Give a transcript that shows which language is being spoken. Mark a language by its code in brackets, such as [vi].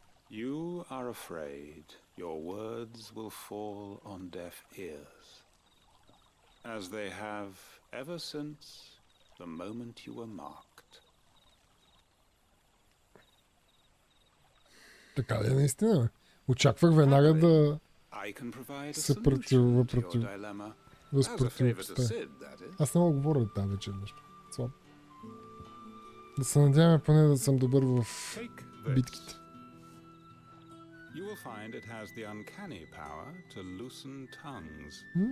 [en] You are afraid your words will fall on deaf ears, as they have ever since the moment you were marked. [bg] Така ли наистина? Очаквах веднага да... [en] I can provide a solution to your dilemma. As a favor to Sid, that is. [bg] Аз не мога говоря да тази вечер нещо. Да се надяваме поне да съм добър в битките. [en] You will find it has the uncanny power to loosen tongues.